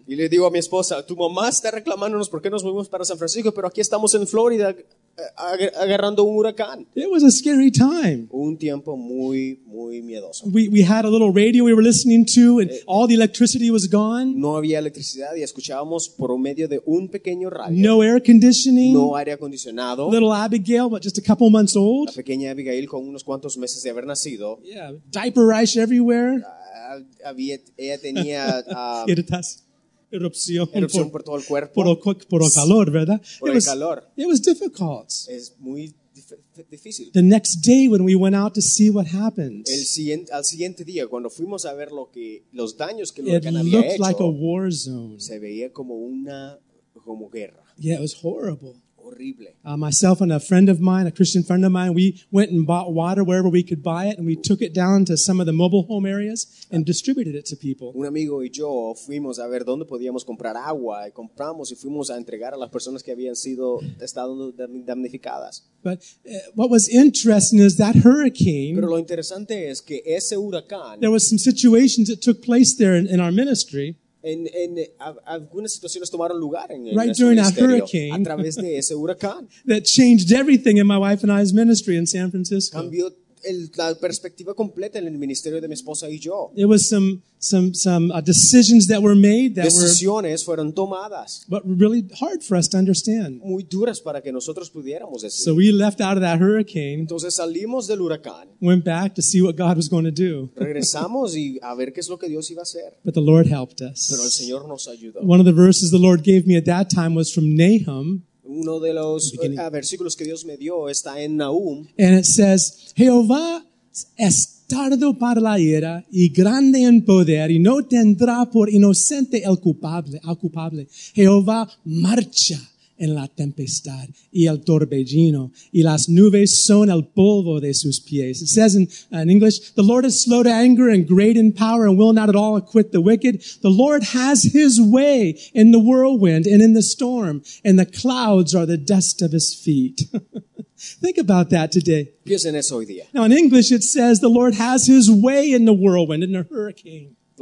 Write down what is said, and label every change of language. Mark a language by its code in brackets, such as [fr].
[es] Y le digo a mi esposa, tu mamá está reclamándonos por qué nos movimos para San Francisco, pero aquí estamos en Florida agarrando un huracán. [en] It was a scary time. [es] Un tiempo muy, muy miedoso. [en] We had a little radio we were listening to and all the electricity was gone. [es] No había electricidad y escuchábamos por medio de un pequeño radio. [en] No air conditioning. [es] No aire acondicionado. [en] Little Abigail, but just a couple months old. [es] La pequeña Abigail con unos cuantos meses de haber nacido. [en] Yeah, diaper rash everywhere. [es] Ella tenía erupción por todo el cuerpo. Por el calor, ¿verdad? Por el calor. [en] It was difficult. [es] Es muy difícil. [en] The next day when we went out to see what happened. [es] Al siguiente día, cuando fuimos a ver los daños que el huracán había hecho. [en] It looked like a war zone. [es] Se veía como guerra. [en] Yeah, it was horrible. [es] Horrible. [en] Myself and a friend of mine, a Christian friend of mine, we went and bought water wherever we could buy it, and we took it down to some of the mobile home areas and distributed it to people. [es] Un amigo y yo fuimos a ver dónde podíamos comprar agua, y compramos y fuimos a entregar a las personas que habían estado damnificadas. [en] But what was interesting is that hurricane. [es] Pero lo interesante es que ese huracán. [en] There was some situations that took place there in our ministry. [es] En algunas situaciones tomaron lugar en [en] right during a hurricane [es] a través de ese huracán [en] that changed everything in my wife and I's ministry in San Francisco. [es] Cambió la perspectiva completa en el ministerio de mi esposa y yo. [en] It was some decisions that were made that [es] decisiones fueron tomadas, [en] but really hard for us to understand. [es] Muy duras para que nosotros pudiéramos decir. [en] So we left out of that hurricane. [es] Entonces salimos del huracán. [en] Went back to see what God was going to do. [es] Regresamos y a ver qué es lo que Dios iba a hacer. [en] But the Lord helped us. [es] Pero el Señor nos ayudó. [en] One of the verses the Lord gave me at that time was from Nahum. [es] Uno de los versículos que Dios me dio está en Nahum. [en] And it says, [es] Jehová es tardo para la ira y grande en poder y no tendrá por inocente el culpable. Jehová marcha en la tempestad y el torbellino y las nubes son el polvo de sus pies. [en] It says in English, the Lord is slow to anger and great in power and will not at all acquit the wicked. The Lord has his way in the whirlwind and in the storm, and the clouds are the dust of his feet. Think about that today. [es] Piensen eso hoy día. [en] Now in English it says the Lord has his way in the whirlwind, in the hurricane.